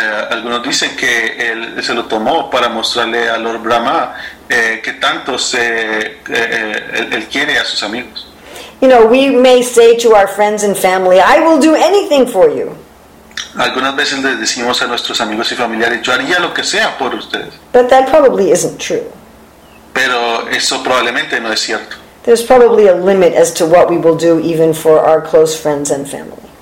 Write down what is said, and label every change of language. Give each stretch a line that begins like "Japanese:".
Spanish: Algunos dicen que él se lo tomó para mostrarle a Lord Brahma que tanto él quiere a sus amigos.
English: You know, we may say to our friends and family, I will do anything for you.
Spanish: Algunas veces les decimos a nuestros amigos y familiares, yo haría lo que sea por ustedes.
English: But that probably isn't true.
Spanish: Pero eso probablemente no es cierto.
English: There's probably a limit as to what we will do even for our close friends and family.